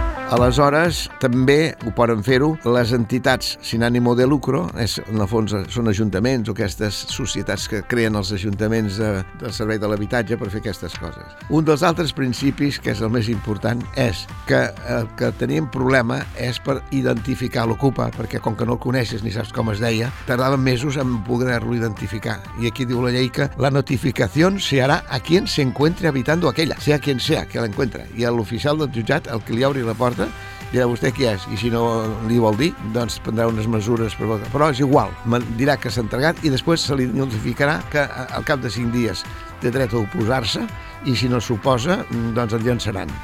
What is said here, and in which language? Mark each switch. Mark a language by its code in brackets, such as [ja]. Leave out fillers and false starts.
[ca] Aleshores, també ho poden fer-ho les entitats [es] sin ánimo de lucro, [ca] en el fons són ajuntaments o aquestes societats que creen els ajuntaments del servei de l'habitatge per fer aquestes coses. Un dels altres principis, que és el més important, és que el que teníem problema és per identificar l'ocupa, perquè com que no el coneixes ni saps com es deia, tardava mesos en poder-lo identificar. I aquí diu la llei que la notificació [es] se hará a quien se encuentre habitando aquella, sea quien sea que l'encuentre. [ca] I a l'oficial del jutjat, el que li obri la porta, dirà vostè qui és, i si no li vol dir, doncs prendrà unes mesures per votar. Però és igual, dirà que s'ha entregat i després se li notificarà que al cap de 5 dies té dret a oposar-se i si no s'oposa, doncs el llançaran.